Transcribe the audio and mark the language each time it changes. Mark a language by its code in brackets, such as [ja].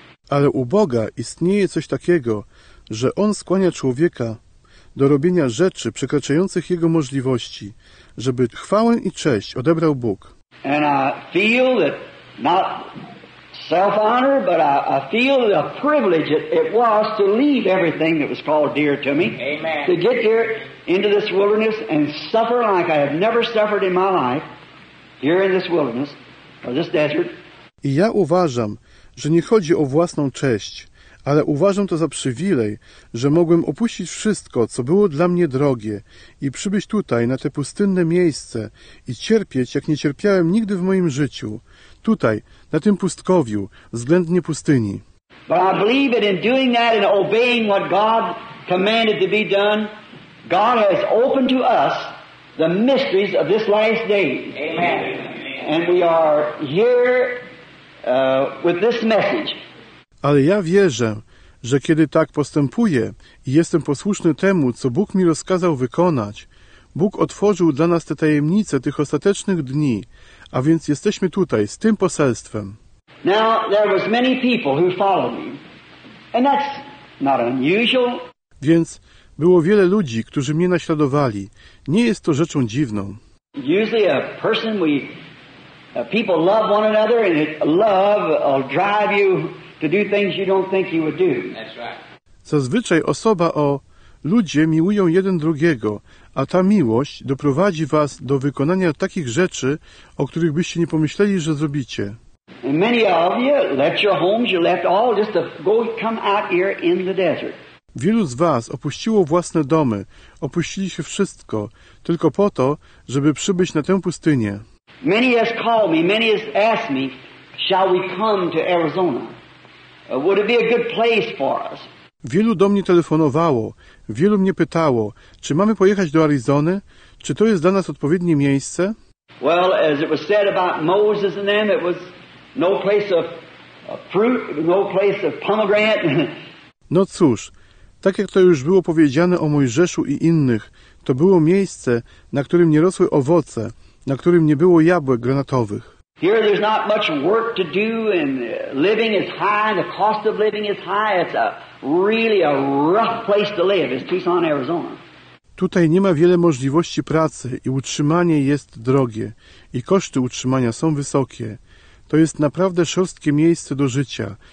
[pl] Ale u Boga istnieje coś takiego, że On skłania człowieka do robienia rzeczy przekraczających jego możliwości, żeby chwałę i cześć odebrał Bóg. [en] And I feel that not self-honor, but I feel the privilege it was to leave everything that was called dear to me. Amen. To get here into this wilderness and suffer like I have never suffered in my life here in this wilderness or this desert. [pl] I ja uważam, że nie chodzi o własną cześć, ale uważam to za przywilej, że mogłem opuścić wszystko, co było dla mnie drogie i przybyć tutaj, na te pustynne miejsce i cierpieć, jak nie cierpiałem nigdy w moim życiu, tutaj, na tym pustkowiu, względnie pustyni. [en] But I believe that in doing that and obeying what God commanded to be done, God has opened to us the mysteries of this last day. Amen. And we are here with this message. [pl] Ale ja wierzę, że kiedy tak postępuję i jestem posłuszny temu, co Bóg mi rozkazał wykonać, Bóg otworzył dla nas te tajemnice tych ostatecznych dni, a więc jesteśmy tutaj z tym poselstwem. [en] Now, there was many people who followed me, and that's not unusual. [pl] Więc było wiele ludzi, którzy mnie naśladowali. Nie jest to rzeczą dziwną. [en] Usually a person we people love one another, and love will drive you to do things you don't think you would do. That's right. [pl] Zazwyczaj osoba o ludzie miłują jeden drugiego, a ta miłość doprowadzi was do wykonania takich rzeczy, o których byście nie pomyśleli, że zrobicie. [en] And many of you left your homes, you left all just to go come out here in the desert. [pl] Wielu z was opuściło własne domy, opuścili się wszystko, tylko po to, żeby przybyć na tę pustynię. [en] Many has called me, many has asked me, shall we come to Arizona? Would it be a good place for us? [pl] Wielu do mnie telefonowało, wielu mnie pytało, czy mamy pojechać do Arizony, czy to jest dla nas odpowiednie miejsce? [en] Well, as it was said about Moses and them, it was no place of fruit, no place of pomegranate. [pl] No cóż, tak jak to już było powiedziane o Mojżeszu i innych, to było miejsce, na którym nie rosły owoce, na którym nie było jabłek granatowych. [en] Here there's not much work to do and living is high and the cost of living is high. It's a really a rough place to live. It's Tucson, Arizona. [pl] Tutaj nie ma wiele możliwości pracy i utrzymanie jest drogie i koszty utrzymania są wysokie. To jest naprawdę szorstkie miejsce do życia.